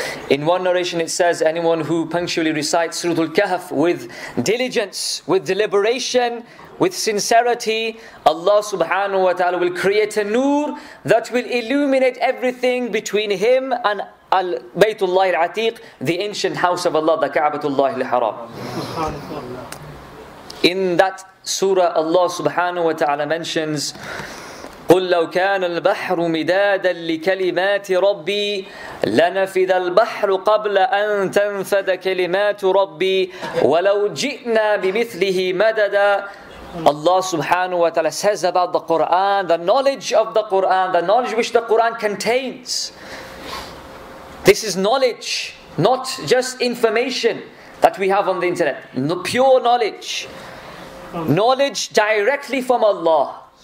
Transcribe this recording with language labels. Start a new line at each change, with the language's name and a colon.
English: In one narration it says, anyone who punctually recites Surah Al-Kahf with diligence, with deliberation, with sincerity, Allah subhanahu wa ta'ala will create a nur that will illuminate everything between him and Al-Baytullah Al-Atiq, the ancient house of Allah, the Ka'batullah Al-Haram. In that surah, Allah subhanahu wa ta'ala mentions,
Arabic: قُلْ لَوْ كَانَ الْبَحْرُ مِدَادًا لِكَلِمَاتِ رَبِّي لَنَفِذَ الْبَحْرُ قَبْلَ أَن تَنْفَذَ كَلِمَاتُ رَبِّي وَلَوْ جِئْنَا بِمِثْلِهِ مَدَدًا.
English: Allah subhanahu wa ta'ala says about the Qur'an, the knowledge of the Qur'an, the knowledge which the Qur'an contains. This is knowledge, not just information that we have on the internet. Pure knowledge. Knowledge directly from Allah.